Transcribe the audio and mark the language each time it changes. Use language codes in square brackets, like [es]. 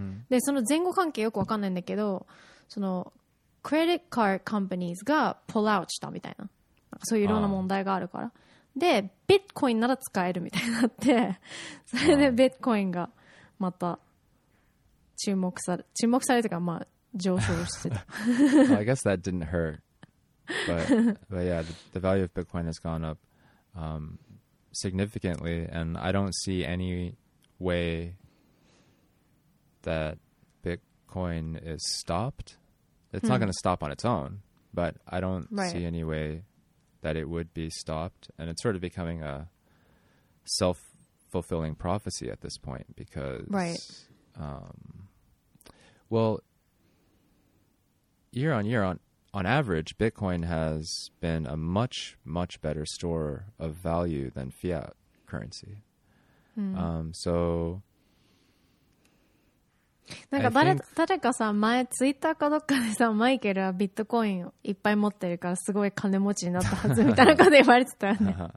[ja] でその前後関係よく分かんないんだけど、そのクレディットカードカンパニーズがプルアウトしたみたいな、そういういろんな問題があるから、でビットコインなら使えるみたいになって、それでビットコインがまた注目されてか、まあ上昇してた。 [en] Well, I guess that didn't hurt. But yeah, the value of Bitcoin has gone up significantly, and I don't see any wayThat Bitcoin is stopped. It's not going to stop on its own, but I don't see any way that it would be stopped. And it's sort of becoming a self-fulfilling prophecy at this point, because, well, year on year, on average, Bitcoin has been a much, much better store of value than fiat currency. So... [ja] なんか 誰かさ、前ツイッターかどっかでさ、マイケルはビットコインをいっぱい持ってるからすごい金持ちになったはずみたいなこと言われてたよね。